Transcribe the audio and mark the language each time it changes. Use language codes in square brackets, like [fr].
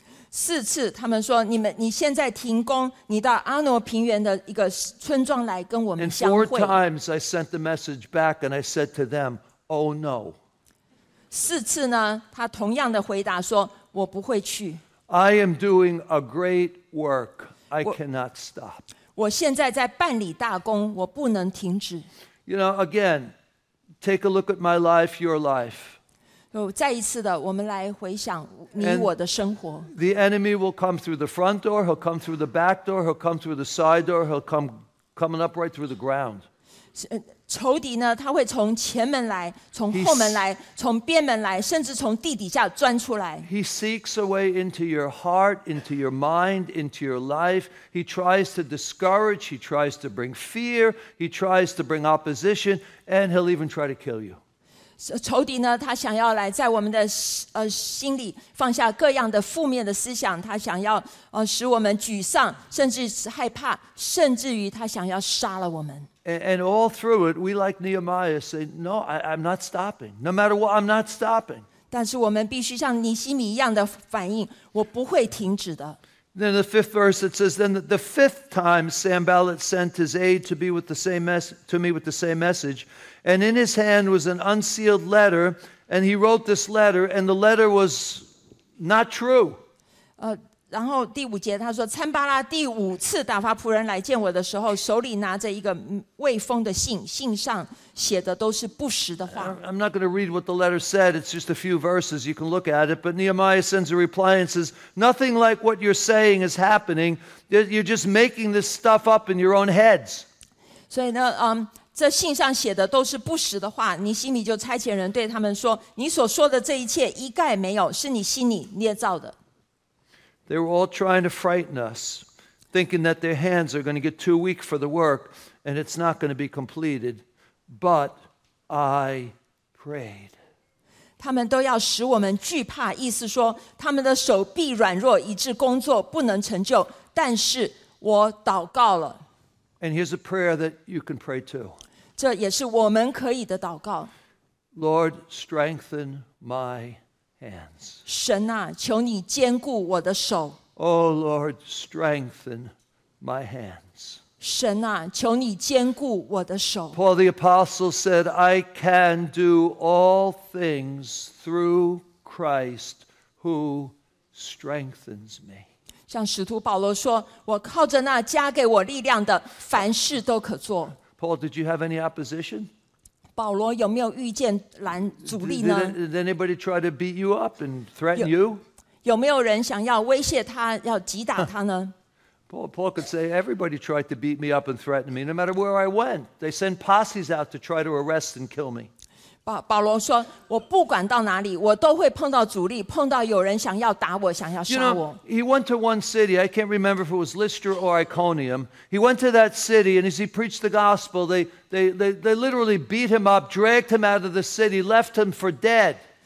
[zh] 四次他们说你现在停工，你到阿诺平原的一个村庄来跟我们相会。 [en] And four times I sent the message back and I said to them, oh no. [zh] 四次呢他同样的回答说我不会去。 [en] I am doing a great work. I cannot stop. [zh] 我现在在办理大功，我不能停止。 [en] You know, again, take a look at my life, your life. [zh] 再一次的，我们来回想你我的生活。 [en] The enemy will come through the front door, he'll come through the back door, he'll come through the side door, he'll come coming up right through the ground. [zh] 仇敌呢，他会从前门来，从后门来，从边门来，甚至从地底下钻出来。 [en] He seeks a way into your heart, into your mind, into your life. He tries to discourage, he tries to bring fear, he tries to bring opposition, and he'll even try to kill you. [zh] 仇敌呢，他想要来在我们的心里放下各样的负面的思想，他想要使我们沮丧，甚至害怕，甚至于他想要杀了我们。 [en] And all through it, we like Nehemiah say, no, I'm not stopping. No matter what, I'm not stopping. [zh] 但是我们必须像尼希米一样的反应，我不会停止的。 [en] Then the fifth verse, it says, then the fifth time Sanballat sent his aide to be with the same message. And in his hand was an unsealed letter. And he wrote this letter, and the letter was not true. [zh] 然后第五节他说参巴拉第五次打发仆人来见我的时候手里拿着一个未封的信，信上写的都是不实的话。 [en] I'm not going to read what the letter said, it's just a few verses, you can look at it, but Nehemiah sends a reply and says, nothing like what you're saying is happening, you're just making this stuff up in your own heads. [zh] 所以呢这信上写的都是不实的话，尼希米就差遣人对他们说，你所说的这一切一概没有，是你心里捏造的。 [en] They were all trying to frighten us, thinking that their hands are going to get too weak for the work and it's not going to be completed. But I prayed. [zh] 他们都要使我们惧怕，意思说他们的手臂软弱，以致工作不能成就。但是我祷告了。 [en] And here's a prayer that you can pray too. [zh] 这也是我们可以的祷告。 [en] Lord, strengthen my hands. [zh] 神啊，求你坚固我的手。 [en] Oh Lord, strengthen my hands. [zh] 神啊，求你坚固我的手。 [en] Paul the Apostle said, I can do all things through Christ who strengthens me. [zh] 像使徒保罗说，我靠着那加给我力量的，凡事都可做。 [en] Paul, did you have any opposition? [zh] 保罗有没有遇见拦阻力呢？ [en] Did anybody try to beat you up and threaten you? [zh] 有没有人想要威胁他，要击打他呢？ [en] Paul could say, everybody tried to beat me up and threaten me, no matter where I went. They send posses out to try to arrest and kill me. [zh] 保罗说，我不管到哪里，我都会碰到阻力，碰到有人想要打我，想要杀我。 [en] You know, he went to one city, I can't remember if it was Lystra or Iconium. He went to that city, and as he preached the gospel, they literally beat him up, dragged him out of the city, left him for dead.